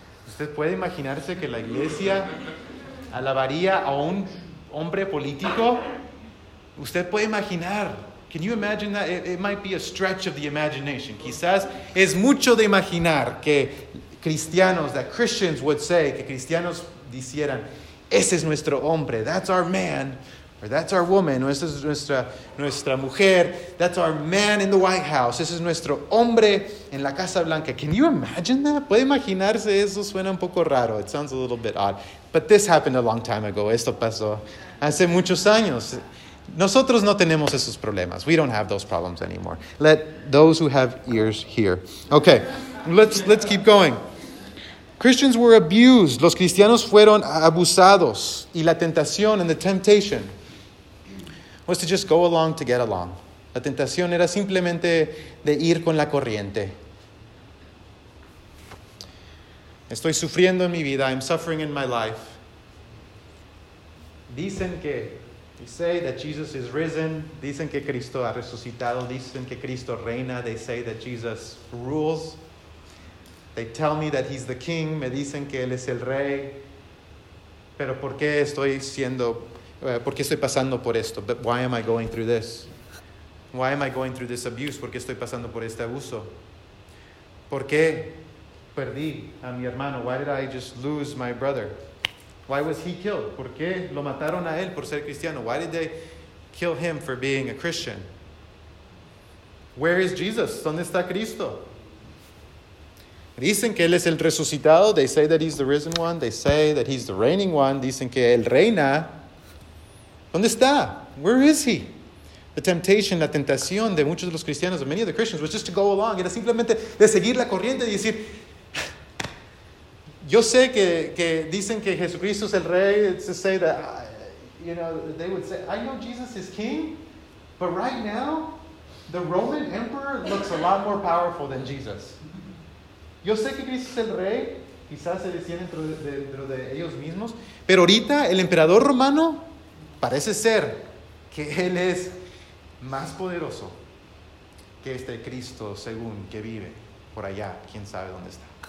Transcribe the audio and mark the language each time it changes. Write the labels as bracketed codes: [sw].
[es] ¿Usted puede imaginarse que la iglesia alabaría a un hombre político? Usted puede imaginar. [en] Can you imagine that? It might be a stretch of the imagination. [es] Quizás es mucho de imaginar que cristianos, [en] that Christians would say, [es] que cristianos dijeran, ese es nuestro hombre, [en] that's our man, or that's our woman, [es] o esa es nuestra mujer, [en] that's our man in the White House, [es] ese es nuestro hombre en la Casa Blanca. [en] Can you imagine that? [es] ¿Puede imaginarse eso? Suena un poco raro. [en] It sounds a little bit odd. But this happened a long time ago. [es] Esto pasó hace muchos años. Nosotros no tenemos esos problemas. [en] We don't have those problems anymore. Let those who have ears hear. Okay, let's keep going. Christians were abused. [es] Los cristianos fueron abusados. Y la tentación [en] and the temptation was to just go along to get along. [es] La tentación era simplemente de ir con la corriente. Estoy sufriendo en mi vida. [en] I'm suffering in my life. [es] Dicen que [en] they say that Jesus is risen. [es] Dicen que Cristo ha resucitado. Dicen que Cristo reina. [en] They say that Jesus rules. They tell me that he's the king. [es] Me dicen que él es el rey. Pero ¿por qué estoy siendo, por qué estoy pasando por esto? [en] But why am I going through this? Why am I going through this abuse? [es] ¿Por qué estoy pasando por este abuso? ¿Por qué perdí a mi hermano? [en] Why did I just lose my brother? Why was he killed? [es] ¿Por qué lo mataron a él por ser cristiano? [en] Why did they kill him for being a Christian? Where is Jesus? [es] ¿Dónde está Cristo? Dicen que él es el resucitado. [en] They say that he's the risen one. They say that he's the reigning one. [es] Dicen que él reina. ¿Dónde está? [en] Where is he? The temptation, [es] la tentación de muchos de los cristianos, [en] of many of the Christians, was just to go along. [es] Era simplemente de seguir la corriente y decir, yo sé que dicen que Jesucristo es el rey. [en] It's to say that, you know, they would say, I know Jesus is king, but right now, the Roman emperor looks a lot more powerful than Jesus. [es] Yo sé que Cristo es el rey, quizás se decían dentro de ellos mismos, pero ahorita el emperador romano parece ser que él es más poderoso que este Cristo según que vive por allá, quién sabe dónde está.